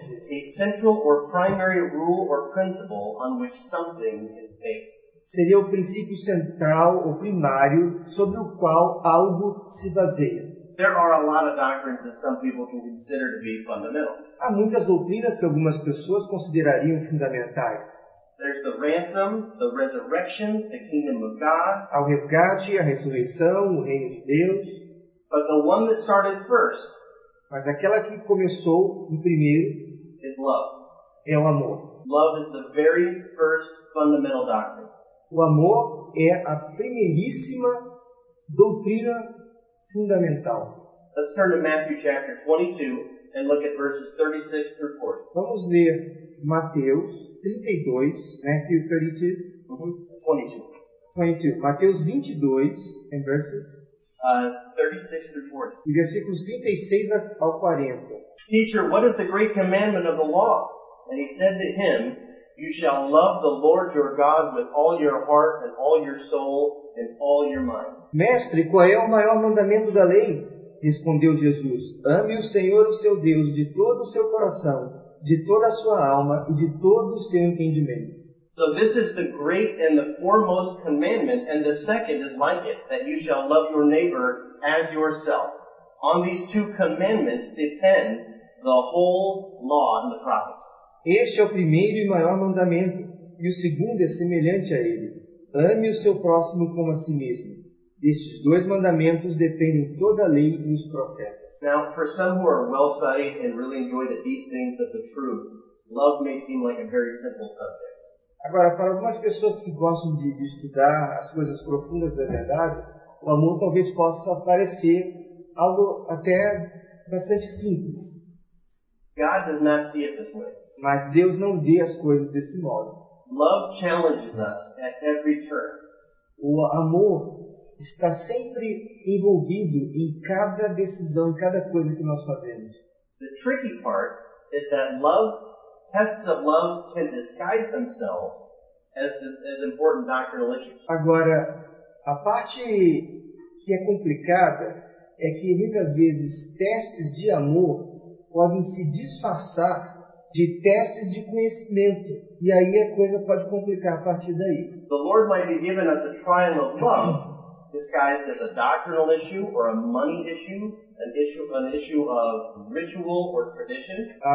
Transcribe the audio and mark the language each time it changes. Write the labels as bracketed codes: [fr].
[en] A central or primary rule or principle on which something is based. [pt] Seria o princípio central ou primário sobre o qual algo se baseia. [en] There are a lot of doctrines that some people can consider to be fundamental. [pt] Há muitas doutrinas que algumas pessoas considerariam fundamentais. [en] There's the ransom, the resurrection, the kingdom of God. [pt] Há o resgate, a ressurreição, o reino de Deus. [en] But the one that started first, [pt] mas aquela que começou em primeiro, [en] is love. [pt] É o amor. [en] Love is the very first fundamental doctrine. [pt] O amor é a primeiríssima doutrina fundamental. [en] Let's turn to Matthew chapter 22 and look at verses 36 through 40. [pt] Vamos ler Mateus 32, Matthew 32, 22. Mateus 22 em [en] verses 36 through 40. [pt] Versículos 36 ao 40. [en] Teacher, what is the great commandment of the law? And he said to him, you shall love the Lord your God with all your heart and all your soul and all your mind. [pt] Mestre, qual é o maior mandamento da lei? Respondeu Jesus, ame o Senhor o seu Deus de todo o seu coração, de toda a sua alma e de todo o seu entendimento. [en] So this is the great and the foremost commandment, and the second is like it, that you shall love your neighbor as yourself. On these two commandments depend the whole law and the prophets. [pt] Este é o primeiro e maior mandamento, e o segundo é semelhante a ele. Ame o seu próximo como a si mesmo. Estes dois mandamentos dependem toda a lei e os profetas. [en] Now, for some who are well-studied and really enjoy the deep things of the truth, love may seem like a very simple subject. [pt] Agora, para algumas pessoas que gostam de estudar as coisas profundas da verdade, o amor talvez possa parecer algo até bastante simples. [en] God does not see it this way. [pt] Mas Deus não vê as coisas desse modo. [en] Love challenges us at every turn. [pt] O amor está sempre envolvido em cada decisão, em cada coisa que nós fazemos. [en] The tricky part is that love, tests of love can disguise themselves as important doctrinal issues. [pt] Agora, a parte que é complicada é que muitas vezes testes de amor podem se disfarçar de testes de conhecimento. E aí a coisa pode complicar a partir daí. [en] The Lord might be giving us a trial of love disguised as a doctrinal issue or a money issue, an issue of ritual or tradition.